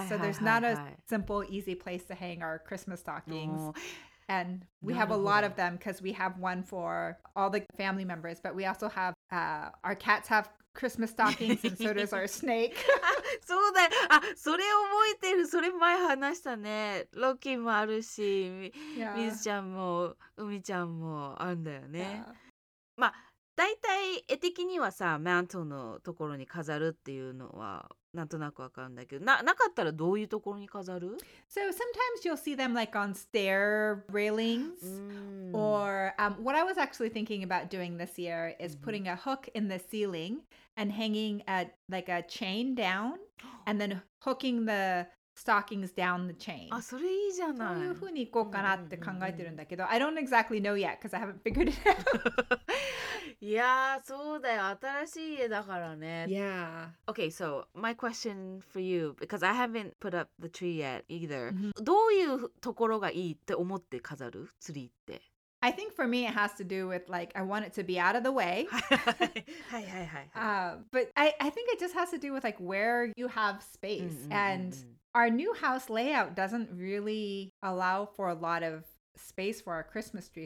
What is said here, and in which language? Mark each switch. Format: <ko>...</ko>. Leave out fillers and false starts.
<en>So there's not a simple, easy place to hang our Christmas stockings. And we have a lot of them because we have one for all the family members. But we also have, our cats have Christmas stockings and so does our snake.</en> <ja>そうだ。あ、それ覚えてる。それ前話したね。ロッキーもあるし、ミズちゃんも、ウミちゃんもあるんだよね。まあ、だいたい絵的にはさ、マントのところに飾るっていうのはなんとなくわかるんだけど、なかったらどういうところに飾る？</ja> <en>So sometimes you'll see them like on stair railings. Or what I was actually thinking about doing this year is putting a hook in the ceiling and hanging a, like a chain down and then hooking the stockings down the chain.</en> <ja>あ、それいいじゃない。そういうふうに行こうかなって考えてるんだけど、</ja> <en>I don't exactly know yet because I haven't figured it out.</en> <ja>いやそうだよ、新しい家だからね。</ja> <en>Yeah. Okay, so my question for you, because I haven't put up the tree yet either.</en> <ja>どういうところがいいって思って飾る？ツリーって。</ja> <en>I think for me it has to do with like, I want it to be out of the way.</en> <ja>はいはいはい。</ja> <en>But I think it just has to do with like where you have space. And our new house layout doesn't really allow for a lot of space for our Christmas tree.</en>